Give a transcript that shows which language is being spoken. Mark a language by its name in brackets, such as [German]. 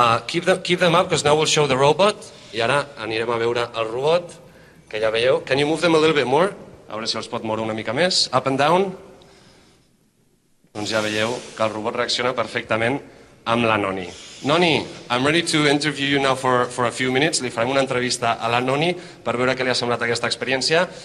[English] Keep them up, because now we'll show the robot. [Catalan] I ara anirem a veure el robot. Que ja veieu. [English] Can you move them a little bit more? [Catalan] A veure si els pot moure una mica més. [English] Up and down. [Catalan] Doncs ja veieu que el robot reacciona perfectament amb la Noni. [English] Noni, I'm ready to interview you now for a few minutes. [Catalan] Li farem una entrevista a la Noni per veure què li ha semblat aquesta experiència.